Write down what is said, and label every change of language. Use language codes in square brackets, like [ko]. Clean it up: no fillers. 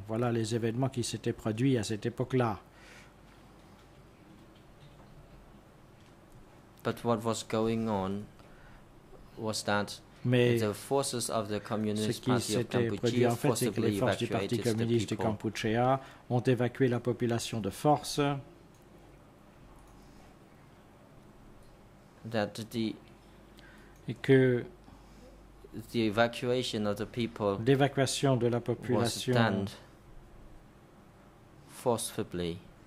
[fr] Voilà les événements qui s'étaient produits à cette époque-là. [en] But what was going on was that mais the forces of the Communist Party of Kampuchea forcibly evacuated the people. [fr] Du Parti communiste de Kampuchea ont évacué la population de force. [en] That the [fr] que [en] the evacuation of the people [fr] l'évacuation de la population [en] was done forcibly